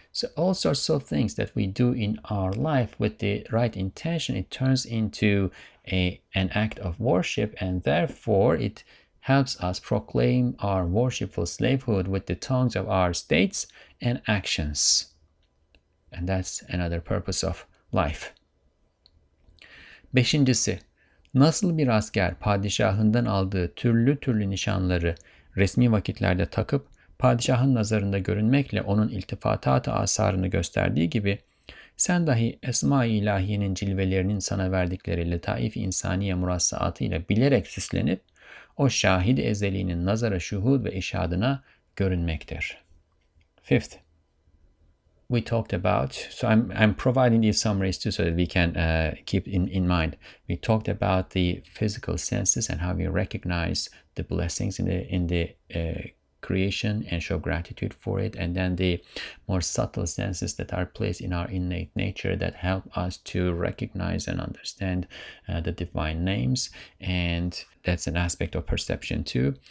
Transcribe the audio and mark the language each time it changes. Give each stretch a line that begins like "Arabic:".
English: So all sorts of things that we do in our life with the right intention, it turns into an act of worship, and therefore it helps us proclaim our worshipful slavehood with the tongues of our states and actions. And that's another purpose of life.
Turkish: Beşincisi, nasıl bir asker padişahından aldığı türlü türlü nişanları resmi vakitlerde takıp padişahın nazarında görünmekle onun iltifatat-ı asarını gösterdiği gibi, sen dahi Esma-i İlahiye'nin cilvelerinin sana verdikleri letaif-i insaniye murassaatıyla bilerek süslenip, o şahid-i ezelinin nazara şuhud ve işadına görünmektir.
English: Fifth. we talked about. So I'm providing these summaries too, so that we can keep in mind. We talked about the physical senses and how we recognize the blessings in the creation and show gratitude for it, and then the more subtle senses that are placed in our innate nature that help us to recognize and understand the divine names, and that's an aspect of perception too.